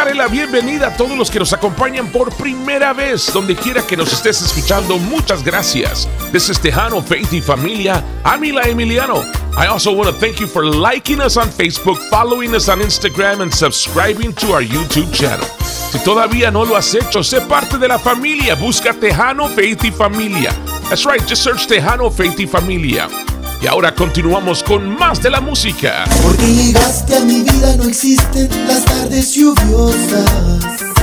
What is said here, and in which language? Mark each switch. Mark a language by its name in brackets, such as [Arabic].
[Spanish] bienvenida a todos los que nos acompañan por primera vez, donde quiera que nos estés escuchando. Muchas gracias. [English] This is Tejano, Faith y Familia. I'm Eli Emiliano. I also want to thank you for liking us on Facebook, following us on Instagram, and subscribing to our YouTube channel. [Spanish] Si todavía no lo has hecho, sé parte de la familia. Busca Tejano, Faith y Familia. [English] That's right, just search [Spanish] Tejano, Faith y Familia. Y ahora continuamos con más de la música. Porque llegaste a mi vida, no existen las tardes lluviosas.